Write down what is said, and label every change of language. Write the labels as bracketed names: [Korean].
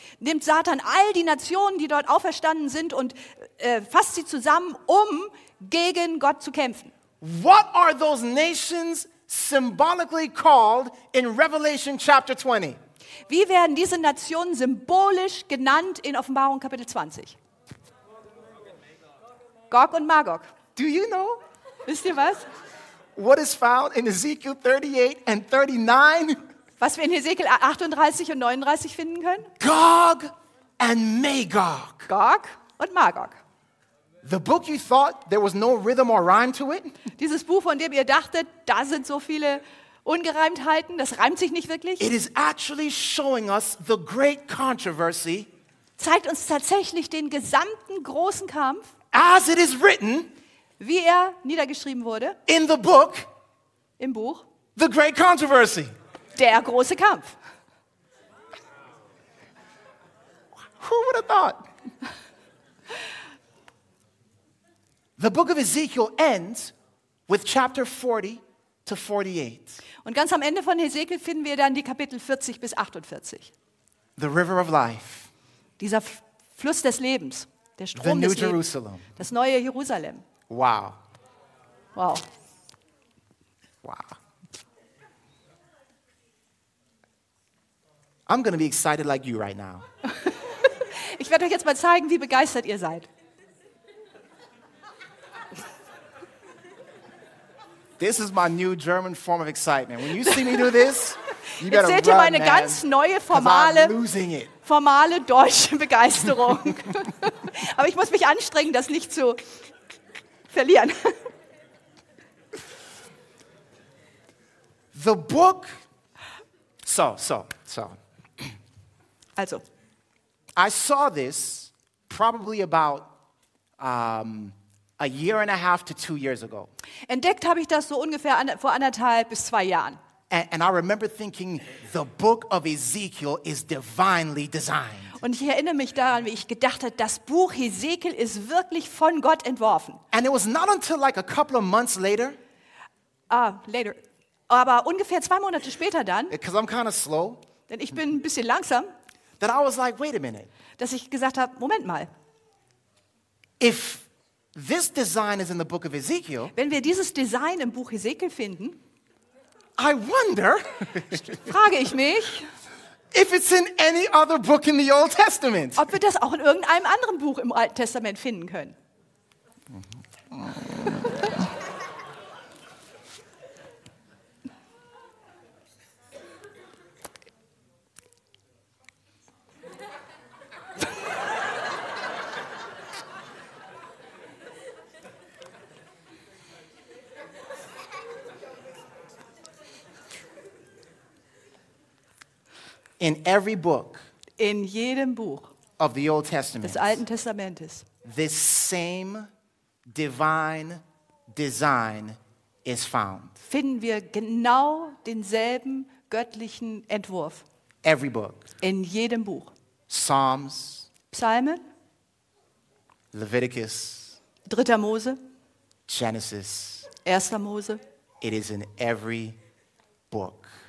[German] Nimmt Satan all die Nationen, die dort auferstanden sind, und fasst sie zusammen, um gegen Gott zu kämpfen. [English] What are those nations symbolically called in Revelation chapter 20? [German] Wie werden diese Nationen symbolisch genannt in Offenbarung Kapitel 20? Gog und Magog. [English] Do you know? [German] Wisst ihr was? [English] What is found in Ezekiel 38 and 39? [German] Was wir in Hesekiel 38 und 39 finden können? [English] Gog and Magog. [German] Gog und Magog. [English] The book you thought there was no rhythm or rhyme to it? [German] Dieses Buch, von dem ihr dachtet, da sind so viele Ungereimtheiten, das reimt sich nicht wirklich. [English] It is actually showing us the great controversy. [German] Zeigt uns tatsächlich den gesamten großen Kampf. [English] As it is written. [German] Wie er niedergeschrieben wurde. [English] In the book. [German] Im Buch. [English] The great controversy. [German] Der große Kampf. [English] Who would have thought? The book of Ezekiel ends with chapter 40 to 48. [German] Und ganz am Ende von Hesekiel finden wir dann die Kapitel 40 bis 48. [English] The river of life. [German] Dieser Fluss des Lebens, der Strom [English] the [German] des [English] new [German] Lebens. [English] Jerusalem. [German] Das neue Jerusalem. Wow. Wow. Wow. [English] I'm going to be excited like you right now. [German] Ich werde euch jetzt mal zeigen, wie begeistert ihr seid. [English] This is my new German form of excitement. When you see me do this, you better run, man. [German] Jetzt seht ihr meine ganz neue formale, [English] I'm losing it. [German] Formale deutsche Begeisterung. Aber ich muss mich anstrengen, das nicht zu verlieren. [English] The book. So. [German] Also. [English] I saw this probably about a year and a half to 2 years ago. [German] Entdeckt habe ich das so ungefähr vor anderthalb bis zwei Jahren. [English] And I remember thinking the book of Ezekiel is divinely designed. [German] Und ich erinnere mich daran, wie ich gedacht habe, das Buch Ezekiel ist wirklich von Gott entworfen. [English] And it was not until like a couple of months later. Later. [German] Aber ungefähr zwei Monate später dann. [English] Because I'm kind of slow. [German] Denn ich bin ein bisschen langsam. [English] That I was like, wait a minute. [German] Dass ich gesagt habe, Moment mal. [English] If this design is in the book of Ezekiel. [German] Wenn wir dieses Design im Buch Ezekiel finden. [English] I wonder. [German] Frage ich mich. [English] If it's in any other book in the Old Testament. [German] Ob wir das auch in irgendeinem anderen Buch im Alten Testament finden können. [English] In every book, [German] in jedem Buch [English] of the Old Testament, [German] des Alten Testamentes, [English] this same divine design is found. [German] Finden wir genau denselben göttlichen Entwurf. [English] Every book, [German] in jedem Buch, [English] Psalms, [German] Psalmen, [English] Leviticus, [German] Dritter Mose, [English] Genesis, [German] Erster Mose, [English] it is in every book.